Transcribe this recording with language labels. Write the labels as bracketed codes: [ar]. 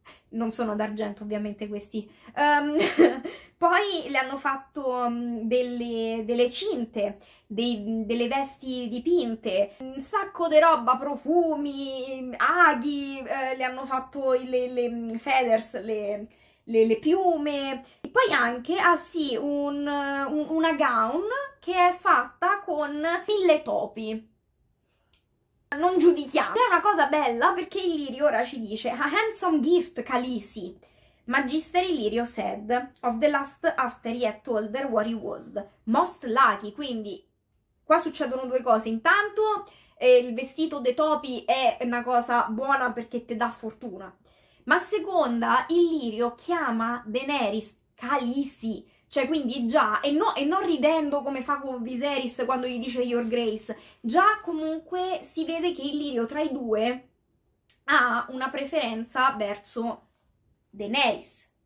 [it] Non sono d'argento ovviamente questi. Poi le hanno fatto delle cinte, delle vesti dipinte, un sacco di roba, profumi, aghi, le hanno fatto le feathers, le piume. E poi anche, ah sì, una gown che è fatta con 1000 topi. Non giudichiamo. È una cosa bella perché Illyrio ora ci dice: [en] "A handsome gift, Khaleesi." Magister Illyrio said of the last after he had told her what he was. Most lucky. [it] Quindi qua succedono due cose. Intanto il vestito dei topi è una cosa buona perché te dà fortuna. Ma seconda, Illyrio chiama Daenerys Khaleesi. Cioè, quindi già, e non ridendo come fa con Viserys quando gli dice Your Grace, già comunque si vede che Illyrio tra i due ha una preferenza verso Daenerys.